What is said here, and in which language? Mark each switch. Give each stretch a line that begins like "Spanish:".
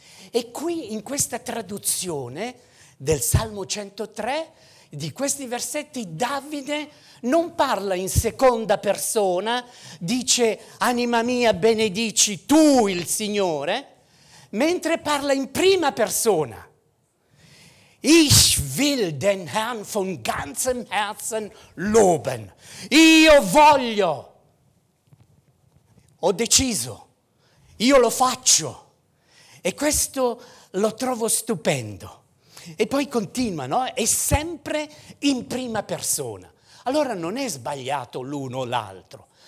Italian: E qui, in questa traduzione del Salmo 103, di questi versetti, Davide non parla in seconda persona, dice: anima mia, benedici tu il Signore, mentre parla in prima persona.
German: Ich will den Herrn von ganzem Herzen loben.
Italian: Io voglio, ho deciso, io lo faccio. E questo lo trovo stupendo. E poi continua, no? È sempre in prima persona. Allora non è sbagliato l'uno o l'altro.